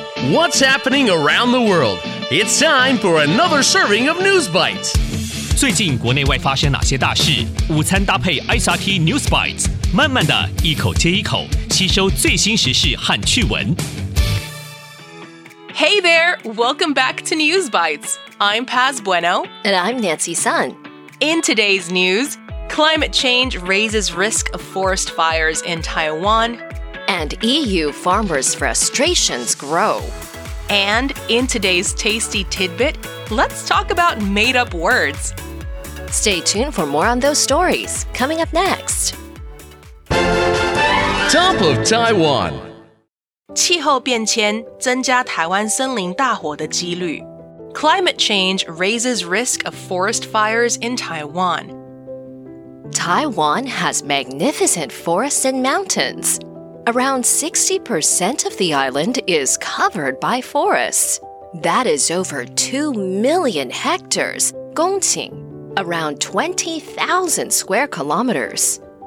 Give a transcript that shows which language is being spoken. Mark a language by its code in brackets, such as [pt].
[en] What's happening around the world? It's time for another serving of News Bites. [zh] 最近国内外发生哪些大事？午餐搭配 SRT News Bites， 慢慢的一口接一口，吸收最新时事和趣闻。 [en] Hey there, welcome back to News Bites. I'm Paz Bueno. And I'm Nancy Sun. In today's news, climate change raises risk of forest fires in Taiwan. And EU farmers' frustrations grow. And in today's tasty tidbit, let's talk about made-up words. Stay tuned for more on those stories, coming up next. Top of Taiwan. [zh] 气候变迁增加台湾森林大火的几率。 [en] Climate change raises risk of forest fires in Taiwan. Taiwan has magnificent forests and mountains. Around 60% of the island is covered by forests. That is over 2 million hectares, 公顷, around 20,000 square kilometers.